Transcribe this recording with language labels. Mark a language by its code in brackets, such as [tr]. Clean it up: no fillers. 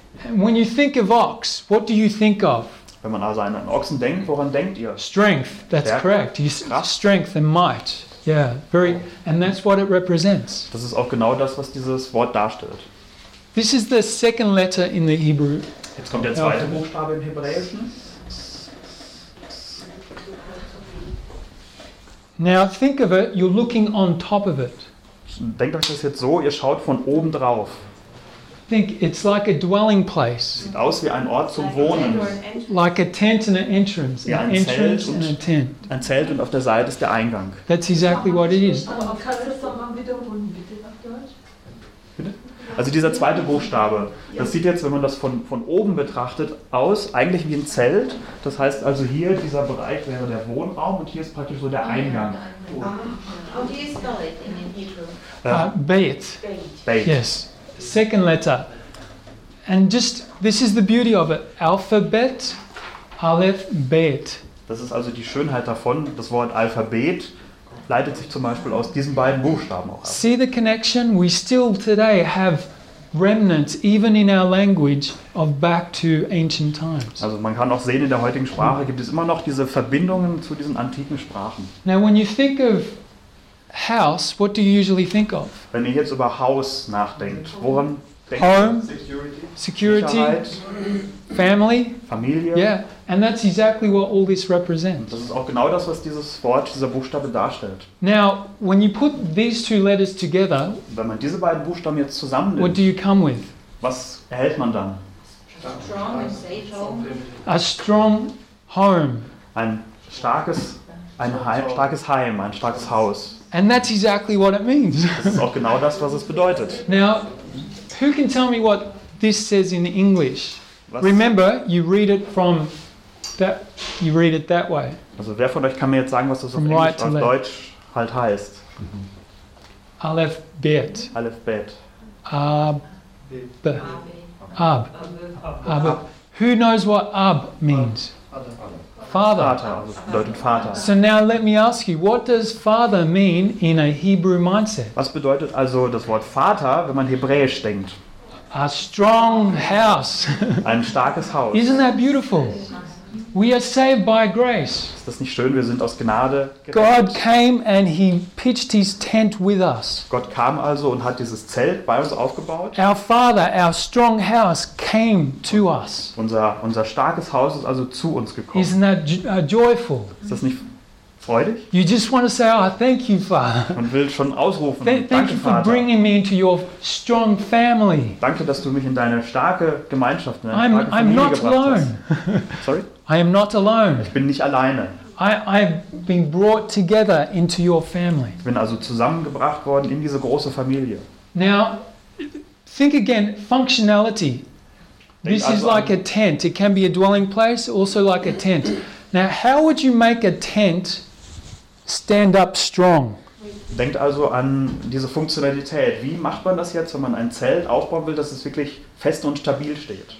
[en] When you think of ox, what do you think of? [de] Wenn man also an einen Ochsen denkt, woran denkt ihr? [en] Strength, that's [de] Stärke, [en] correct. [de] Kraft. [en] Strength and might. Yeah, very, and that's what it represents. [de] Das ist auch genau das, was dieses Wort darstellt. [en] This is the second letter in the Hebrew. [de] Jetzt kommt der zweite Buchstabe im Hebräischen. [en] Now think of it, you're looking on top of it. [de] Denkt euch das jetzt so, ihr schaut von oben drauf. [en] Think it's like a dwelling place. [de] Sieht aus wie ein Ort zum Wohnen. [en] Like a tent and an entrance. [de] Ja, ein Zelt und [en] a tent. [de] Ein Zelt und auf der Seite ist der Eingang. [en] That's exactly what it is. [de] Also dieser zweite Buchstabe, das sieht jetzt, wenn man das von oben betrachtet, aus eigentlich wie ein Zelt. Das heißt also hier, dieser Bereich wäre der Wohnraum und hier ist praktisch so der Eingang. [en] How do you spell it in Hebrew? Beit. Beit. Yes. Second letter. And just, this is the beauty of it. Alphabet, Aleph, Beit. [de] Das ist also die Schönheit davon. Das Wort Alphabet leitet sich zum Beispiel aus diesen beiden Buchstaben auch ab. [en] See the connection? We still today have remnants, even in our language, of back to ancient times. [de] Also man kann auch sehen, in der heutigen Sprache gibt es immer noch diese Verbindungen zu diesen antiken Sprachen. [en] Now when you think of house, what do you usually think of? [de] Wenn ihr jetzt über Haus nachdenkt, woran denkt [en] home, [de] ihr? [en] Home, security, family. [de] Familie. [en] Yeah, and that's exactly what all this represents. [de] Das ist auch genau das, was dieses Wort, dieser Buchstabe darstellt. [en] Now, when you put these two letters together, [de] wenn man diese beiden Buchstaben jetzt zusammennimmt, [en] what do you come with? [de] Was erhält man dann? [en] Strong and safe home. A strong home. [de] Ein starkes Heim, ein starkes Haus. [en] And that's exactly what it means. [de] Das ist auch genau das, was es bedeutet. [en] Now, who can tell me what this says in English? [de] Was? [en] Remember, you read it from that. You read it that way. [de] Also, wer von euch kann mir jetzt sagen, was das [en] from [de] auf Englisch [en] right [de] auf [en] left. [de] Deutsch halt heißt? [en] Mm-hmm. Aleph Bet. Aleph Bet. Ab. Ab. Ab. Who knows what Ab means? [de] Vater, also bedeutet Vater. [en] So now let me ask you, what does father mean in a Hebrew mindset? [de] Was bedeutet also das Wort Vater, wenn man Hebräisch denkt? [en] A strong house. [de] Ein starkes Haus. [en] Isn't that beautiful? We are saved by grace. [de] Ist das nicht schön? Wir sind aus Gnade gerettet. [en] God came and he pitched his tent with us. [de] Gott kam also und hat dieses Zelt bei uns aufgebaut. [en] Our father, our strong house came to us. [de] Unser starkes Haus ist also zu uns gekommen. [en] Isn't that joyful? [de] Ist das nicht freudig? [en] You just want to say, oh, thank you, Father. [de] Man will schon ausrufen, danke, Vater. [en] Thank you for bringing me into your strong family. [de] Danke, dass du mich in deine starke Gemeinschaft, in deine starke Familie gebracht hast. [en] I'm not alone. Sorry? I am not alone. [de] Ich bin nicht alleine. [en] I've been brought together into your family. [de] Ich bin also zusammengebracht worden in diese große Familie. [en] Now, think again, functionality. This is like a tent. It can be a dwelling place, also like a tent. Now, how would you make a tent stand up strong? [de] Denkt also an diese Funktionalität. Wie macht man das jetzt, wenn man ein Zelt aufbauen will, dass es wirklich fest und stabil steht?